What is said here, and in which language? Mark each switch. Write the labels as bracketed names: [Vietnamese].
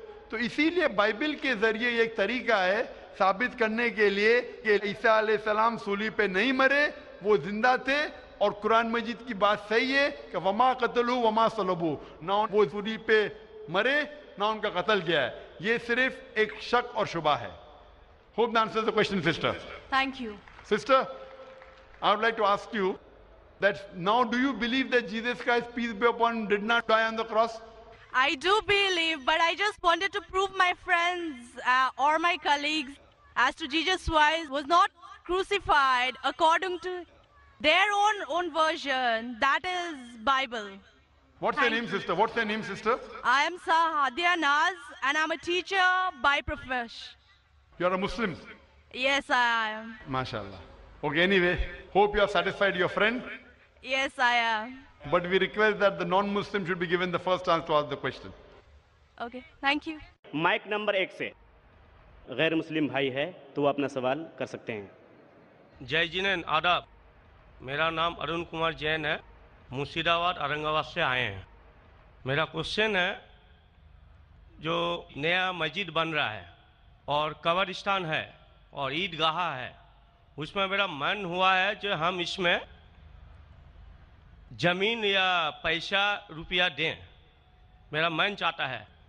[Urdu] تو اسی لیے بائبل کے ذریعے یہ ایک طریقہ ہے ثابت کرنے کے لیے کہ عیسیٰ علیہ السلام سولی پہ نہیں مرے, وہ زندہ تھے. اور قرآن مجید کی بات صحیح ہے کہ [Arabic] وما قتلوا وما صلبوا, [Urdu] نہ وہ سولی پہ مرے نہ ان کا قتل گیا ہے. یہ صرف ایک شک اور شبہ ہے. [English] Hope that answers the question, sister. Thank you. Sister, I would like to ask you that now do you believe that Jesus Christ, peace be upon him, did not die on the cross? I do believe, but I just wanted to prove my friends or my colleagues as to Jesus Christ was not crucified according to their own version, that is Bible. What's your name, sister? What's your name, sister? I am Sahadia Naz and I'm a teacher by profession. You are a Muslim? Yes, I am. MashaAllah. Okay, anyway, hope you are satisfied, your friend. Yes, I am. But we request that the non-Muslim should be given the first chance to ask the question. Okay, thank you. Mic number 1 se. [Urdu] غیر مسلم بھائی ہے تو وہ اپنا سوال کر سکتے ہیں. جائے جینین, آداب. میرا نام ارون کمار جین ہے, مرشید آباد اورنگ آباد سے آئے ہیں. میرا کوشچن ہے, جو نیا مسجد بن رہا ہے اور قبرستان ہے اور عید گاہ ہے, اس میں میرا من ہوا ہے کہ ہم اس میں زمین یا پیسہ روپیہ دیں, میرا من چاہتا ہے.